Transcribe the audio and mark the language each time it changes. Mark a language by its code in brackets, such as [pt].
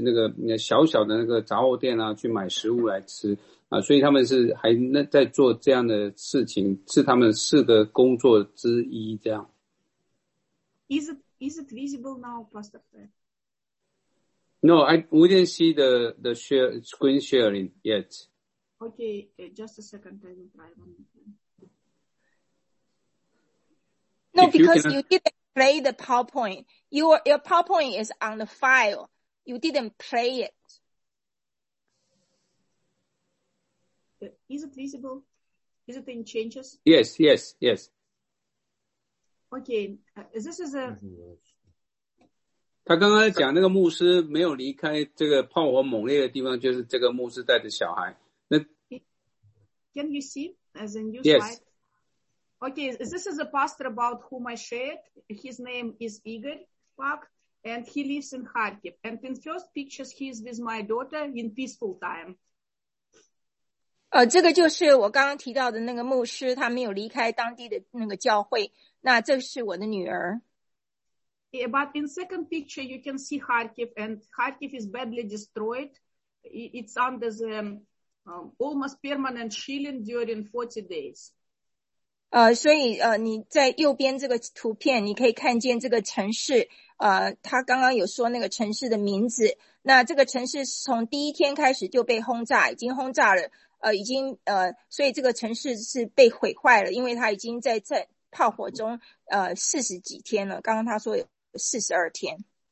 [zh] 炮火猛烈的在乌克兰的东边，这些城市，他们仍然把金钱送到那里去，他仍然把食物送到那些地方去，那给他们的会友或者给他当地的居民，因为当地他们有钱还可以去附近，虽然炮火猛烈，但是整个金融系统这个银行系统还可以是工作的，所以他们可以拿到钱，那拿到钱就是走入到这附近的这些小小的那个杂货店啊去买食物来吃。所以他们是还在做这样的事情，是他们四个工作之一这样。 [en] Is it visible now, Pastor Fred? No, I wouldn't see the share screen sharing yet. Okay, just a second, I will try one. No, because you didn't play the PowerPoint. Your PowerPoint is on the file. You didn't play it. Is it visible? Is it in changes? Yes, yes, yes. Okay, this is a... [zh] 他刚刚讲那个牧师没有离开这个炮火猛烈的地方，就是这个牧师带着小孩。那 [en] Can you see as a new slide? Yes. Okay, this is a pastor about whom I shared. His name is Igor Park, and he lives in Kharkiv. And in first pictures, he is with my daughter in peaceful time. [zh] 这个就是我刚刚提到的那个牧师，他没有离开当地的那个教会。那这是我的女儿。 [en] Yeah, but in second picture, you can see Kharkiv, and Kharkiv is badly destroyed. It's under the almost permanent shelling during 40 days. [zh] 所以你在右边这个图片，你可以看见这个城市。他刚刚有说那个城市的名字。那这个城市从第一天开始就被轰炸，已经轰炸了。已经所以这个城市是被毁坏了，因为它已经在炮火中四十几天了。刚刚他说有42天。